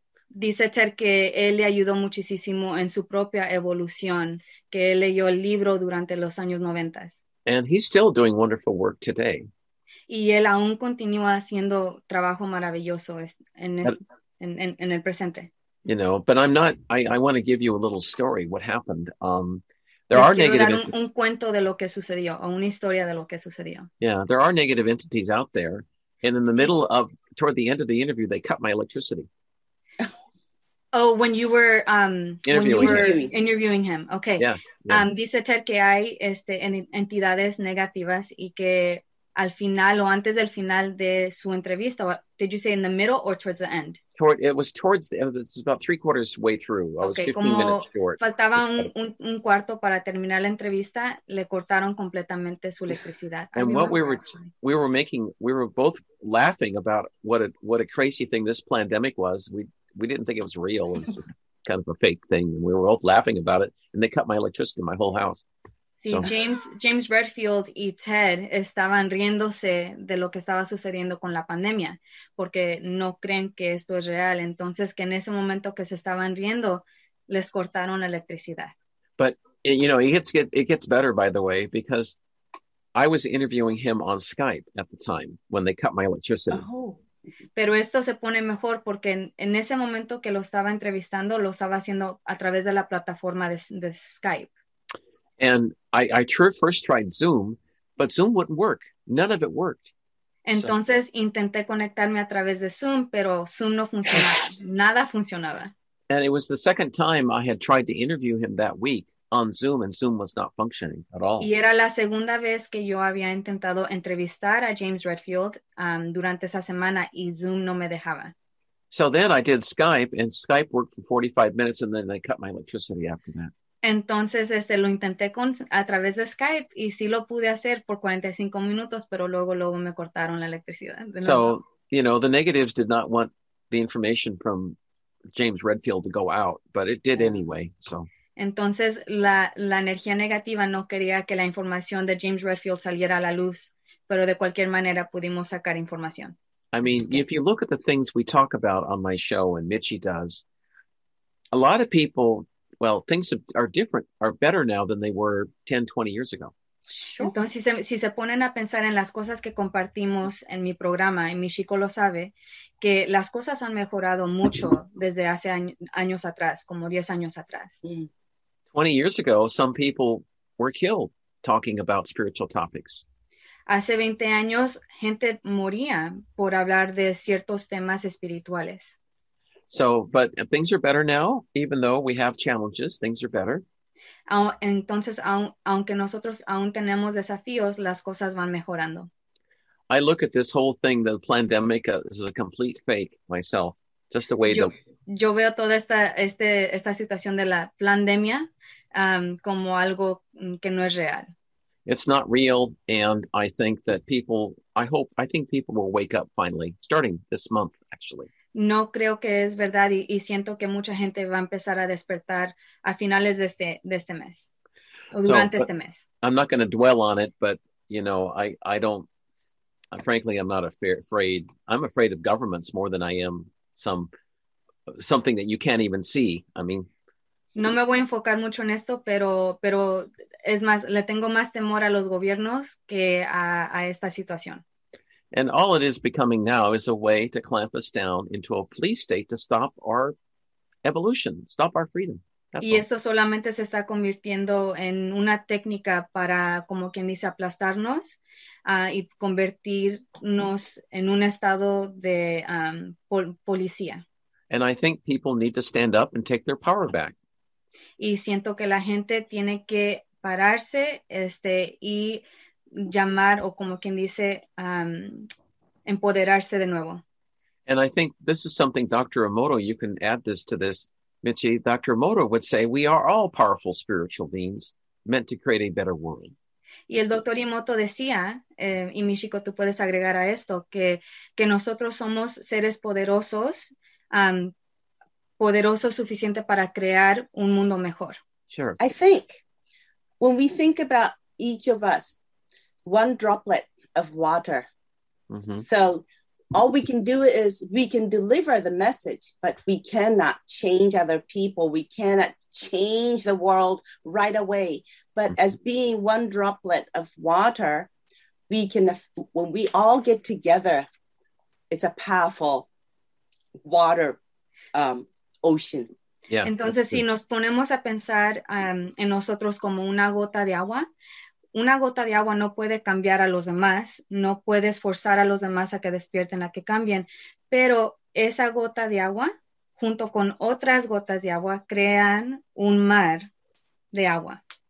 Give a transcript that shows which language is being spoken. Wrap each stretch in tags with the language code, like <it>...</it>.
<es>Dice Ter que él le ayudó muchísimo en su propia evolución, que él leyó el libro durante los años 90.</es> <en>And he's still doing wonderful work today.</en> <es>Y él aún continúa haciendo trabajo maravilloso en el presente.</es> <en>You know, but I'm not, I want to give you a little story, what happened. There are negative entities.</en> <es>Un cuento de lo que sucedió, o una historia de lo que sucedió.</es> <en>Yeah, there are negative entities out there. And in the middle of, toward the end of the interview, they cut my electricity. Oh, when you were interviewing him. Okay. Yeah.</en> <es>Dice Ted que hay entidades negativas y que al final o antes del final de su entrevista,</es> <en>did you say in the middle or towards the end? It was about 3/4 way through. I was 15</en> <es>como</es> <en>minutes short.</en> <es>Faltaba un cuarto para terminar la entrevista, le cortaron completamente su electricidad.</es> <en>And what we were both laughing about what a crazy thing this pandemic was. We didn't think it was real. It was kind of a fake thing. And we were all laughing about it. And they cut my electricity in my whole house. See, so.</en> <es>James Redfield y Ted estaban riéndose de lo que estaba sucediendo con la pandemia. Porque no creen que esto es real. Entonces, que en ese momento que se estaban riendo, les cortaron la electricidad.</es> <en>But, you know, it gets better, by the way, because I was interviewing him on Skype at the time when they cut my electricity. Oh.</en> <es>Pero esto se pone mejor porque en ese momento que lo estaba entrevistando, lo estaba haciendo a través de la plataforma de Skype.</es> <en>And I first tried Zoom, but Zoom wouldn't work. None of it worked.</en> <es>Entonces intenté conectarme a través de Zoom, pero Zoom no funcionaba. Nada funcionaba.</es> <en>And it was the second time I had tried to interview him that week on Zoom, and Zoom was not functioning at all.</en> <es>Y era la segunda vez que yo había intentado entrevistar a James Redfield durante esa semana, y Zoom no me dejaba.</es> <en>So then I did Skype, and Skype worked for 45 minutes, and then they cut my electricity after that.</en> <es>Entonces, lo intenté a través de Skype, y sí lo pude hacer por 45 minutos, pero luego me cortaron la electricidad.</es> <en>So, you know, the negatives did not want the information from James Redfield to go out, but it did anyway, so...</en> <es>Entonces, la energía negativa no quería que la información de James Redfield saliera a la luz, pero de cualquier manera pudimos sacar información.</es> <en>I mean, if you look at the things we talk about on my show and Mitchie does, a lot of people, well, things are different, are better now than they were 10, 20 years ago. Sure.</en> <es>Entonces, si se ponen a pensar en las cosas que compartimos en mi programa, y mi chico lo sabe, que las cosas han mejorado mucho desde hace años atrás, como 10 años atrás. Mm.</es> <en>20 years ago, some people were killed talking about spiritual topics.</en> <es>Hace 20 años, gente moría por hablar de ciertos temas espirituales.</es> <en>So, but things are better now, even though we have challenges, things are better.</en> <es>Entonces, aunque nosotros aún tenemos desafíos, las cosas van mejorando.</es> <en>I look at this whole thing, the pandemic, as a complete fake myself. Just the way</en> <es>Yo veo toda esta situación de la pandemia como algo que no es real.</es> <en>It's not real, and I think that people, I think people will wake up finally, starting this month, actually.</en> <es>No creo que es verdad, y siento que mucha gente va a empezar a despertar a finales de este mes, o durante este mes.</es> <en>I'm not going to dwell on it, but, you know, I don't, frankly, I'm not afraid. I'm afraid of governments more than I am something that you can't even see. I mean,</en> <es>no me voy a enfocar mucho en esto, pero es más, le tengo más temor a los gobiernos que a esta situación.</es> <en>And all it is becoming now is a way to clamp us down into a police state to stop our evolution, stop our freedom. That's</en> <es>y</es> <en>all.</en> <es>Esto solamente se está convirtiendo en una técnica para, como quien dice, aplastarnos y convertirnos en un estado de policía.</es> <en>And I think people need to stand up and take their power back.</en> <es>Y siento que la gente tiene que pararse y llamar, o como quien dice, empoderarse de nuevo.</es> <en>And I think this is something Dr. Emoto, you can add this to this, Michi. Dr. Emoto would say, we are all powerful spiritual beings meant to create a better world.</en> <es>Y el Dr. Emoto decía, y Michiko, tú puedes agregar a esto, que nosotros somos seres poderosos, poderoso suficiente para crear un mundo mejor.</es> <en>Sure. I think when we think about each of us, one droplet of water. Mm-hmm. So all we can do is we can deliver the message, but we cannot change other people. We cannot change the world right away. But as being one droplet of water, we can, when we all get together, it's a powerful water ocean. Yeah,</en> <es>entonces, si nos ponemos a pensar en nosotros como una gota de agua no puede cambiar a los demás, no puede forzar a los demás a que despierten, a que cambien, pero esa gota de agua, junto con otras gotas de agua, crean un mar de agua.</es>